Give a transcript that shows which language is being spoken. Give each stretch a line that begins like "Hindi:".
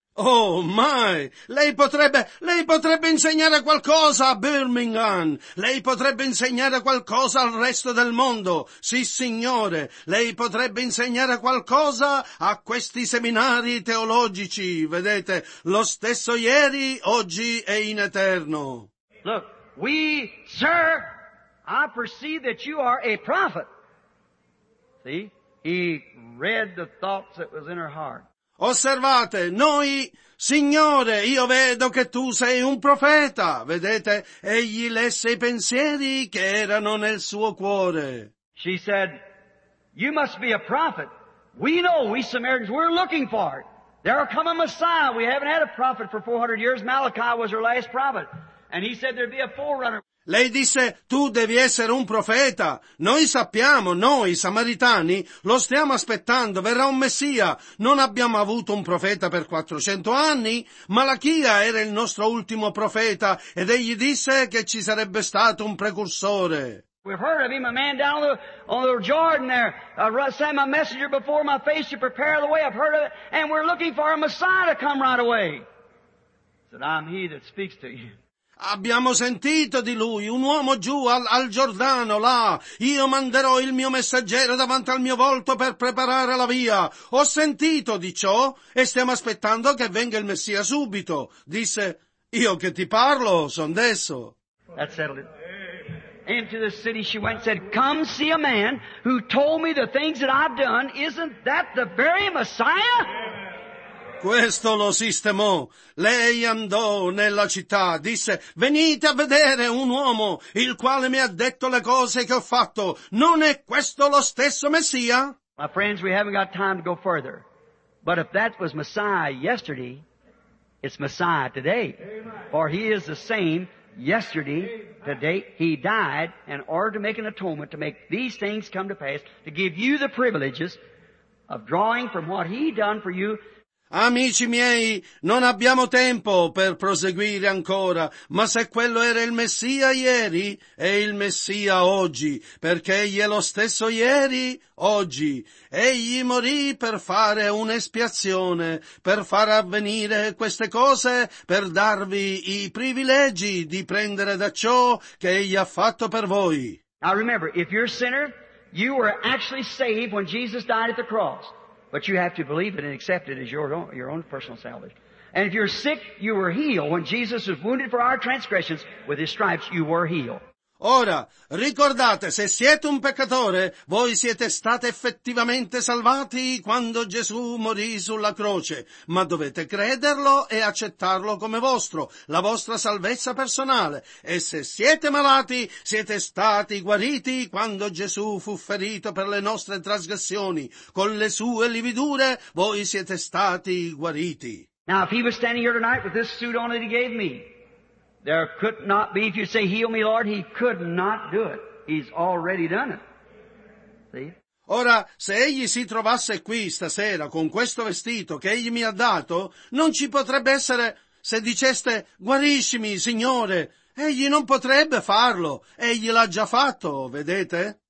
English: Oh my,
Italian: lei potrebbe insegnare qualcosa a Birmingham, lei potrebbe insegnare qualcosa al resto del mondo, sì signore, lei potrebbe insegnare qualcosa a questi seminari teologici, vedete, lo stesso ieri, oggi e in eterno.
English: Look, sir, I perceive that you are a prophet. See, he read the thoughts that was in her heart.
Italian: Osservate, noi, Signore, io vedo che tu sei un profeta, vedete, egli lesse i pensieri che erano nel suo cuore.
English: She said, you must be a prophet. We know, we Samaritans, we're looking for it. There will come a Messiah. We haven't had a prophet for 400 years. Malachi was our last prophet. And he said there'd be a forerunner.
Italian: Lei disse, tu devi essere un profeta. Noi sappiamo, noi samaritani, lo stiamo aspettando, verrà un Messia. Non abbiamo avuto un profeta per 400 anni. Malachia era il nostro ultimo profeta ed egli disse che ci sarebbe stato un precursore.
English: We've heard of him, a man down on the Jordan there. Sent my messenger before my face to prepare the way. I've heard of it. And we're looking for a Messiah to come right away. Said, I'm he that speaks to you.
Italian: Abbiamo sentito di lui, un uomo giù al Giordano, là. Io manderò il mio messaggero davanti al mio volto per preparare la via. Ho sentito di ciò e stiamo aspettando che venga il Messia subito. Disse, io che ti parlo, son desso.
English: That's settled. Into the city she went and said, come see a man who told me the things that I've done. Isn't that the very Messiah?
Italian: Questo lo sistemò. Lei andò nella città, disse, venite a vedere un uomo il quale mi ha detto le cose che ho fatto. Non è questo lo stesso Messia?
English: My friends, we haven't got time to go further. But if that was Messiah yesterday, it's Messiah today. For he is the same yesterday, today. He died in order to make an atonement, to make these things come to pass, to give you the privileges of drawing from what he done for you.
Italian: Amici miei, non abbiamo tempo per proseguire ancora, ma se quello era il Messia ieri, è il Messia oggi, perché egli è lo stesso ieri, oggi. Egli morì per fare un'espiazione, per far avvenire queste cose, per darvi i privilegi di prendere da ciò che egli ha fatto per voi.
English: Now remember, if you're a sinner, you were actually saved when Jesus died at the cross. But you have to believe it and accept it as your own personal salvation. And if you're sick, you were healed. When Jesus was wounded for our transgressions, with his stripes, you were healed.
Italian: Ora, ricordate, se siete un peccatore, voi siete stati effettivamente salvati quando Gesù morì sulla croce. Ma dovete crederlo e accettarlo come vostro, la vostra salvezza personale. E se siete malati, siete stati guariti quando Gesù fu ferito per le nostre trasgressioni. Con le sue lividure, voi siete stati guariti.
English: Now, if he was standing here tonight with this suit on that he gave me, there could not be, if you say, heal me, Lord, he could not do it. He's already done it. See?
Italian: Ora, se egli si trovasse qui stasera con questo vestito che egli mi ha dato, non ci potrebbe essere, se diceste, guariscimi, Signore. Egli non potrebbe farlo. Egli l'ha già fatto, vedete?